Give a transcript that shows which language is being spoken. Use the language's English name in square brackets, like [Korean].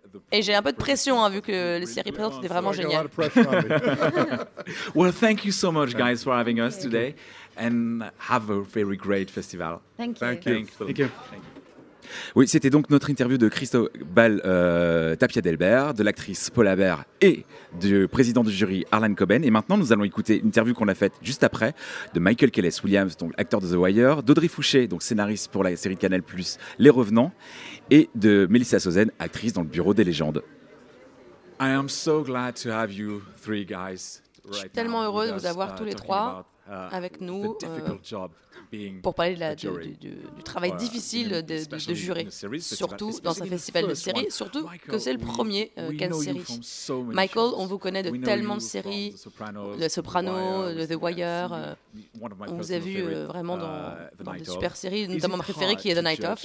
[French] Et j'ai un peu de pression vu que les séries présentes étaient vraiment géniales. [English] Well, thank you so much, guys, for having us today. And have a very great festival. Thank you. [French] Oui, c'était donc notre interview de Cristóbal Tapia Delbert, de l'actrice Paula Bear et du président du jury Harlan Coben. Et maintenant, nous allons écouter une interview qu'on a faite juste après de Michael Kelleher Williams, donc acteur de The Wire, d'Audrey Fouché, donc scénariste pour la série Canal Plus Les Revenants, et de Mélissa Sauzen, actrice dans Le Bureau des Légendes. [English] I am so glad to have you three guys. [French] Je suis tellement heureux de vous avoir tous les trois avec nous pour parler du travail difficile de jurer, surtout dans un festival de séries, surtout que c'est le premier Cannes série. Michael, on vous connaît de tellement de séries, The Sopranos, The Wire, on vous a vu vraiment dans de super séries, notamment ma préférée qui est The Night Of.